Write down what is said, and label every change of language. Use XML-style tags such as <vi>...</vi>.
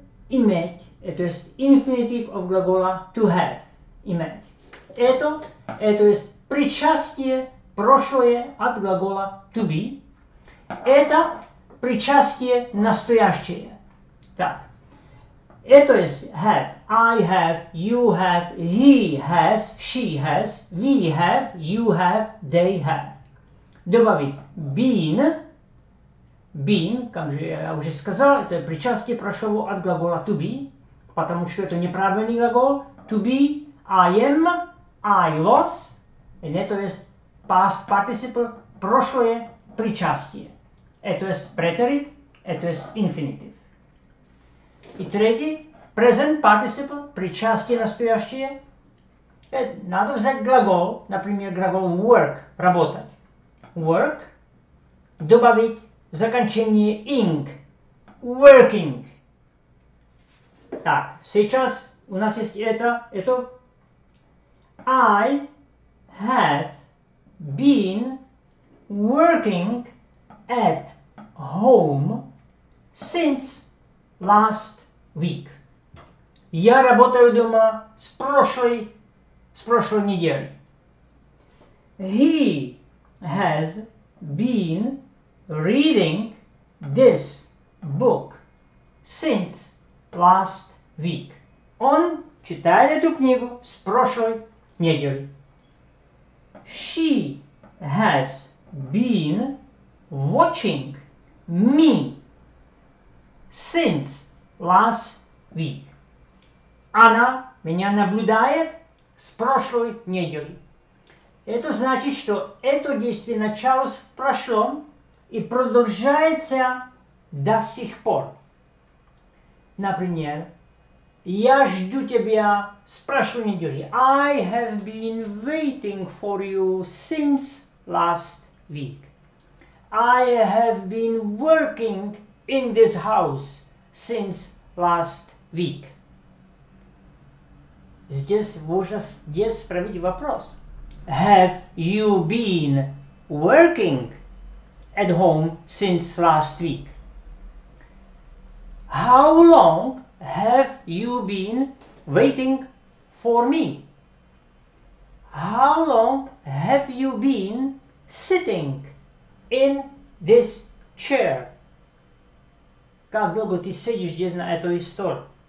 <ru>Иметь, это есть infinitive of глагола to have, иметь. Это есть причастие прошлое от глагола to be. Это причастие настоящее. Так. Это есть have.</ru> <en>I have, you have, he has, she has, we have, you have, they have.</en> <ru>Добавить been. Been, как же я уже сказал, это причастие прошлого от глагола to be, потому что это неправильный глагол.</ru> <en>To be, I am, I was.</en> <ru>И это есть</ru> <en>past participle,</en> <ru>прошлое причастие. Это есть претерит, это есть инфинитив. И третий, present participle, причастие настоящее. Надо взять глагол, например, глагол work, работать. Work, добавить заканчение ing, working. Так, сейчас у нас есть это.</ru> <en>I have been working at home since last week.</en> <ru>Я работаю дома с прошлой недели.</ru> <en>He has been reading this book since last week.</en> <ru>Он читает эту книгу с прошлой недели.</ru> <en>She has been watching me since last week.</en> <ru>Она меня наблюдает с прошлой недели. Это значит, что это действие началось в прошлом и продолжается до сих пор. Например, я жду тебя с прошлой недели.</ru> <en>I have been waiting for you since last week. I have been working in this house since last week.</en> <ru>Здесь можно спросить вопрос.</ru> <en>Have you been working at home since last week? How long have you been waiting for me? How long have you been sitting in this chair?</en> <ru>Как долго ты сидишь здесь на этой столе?</ru>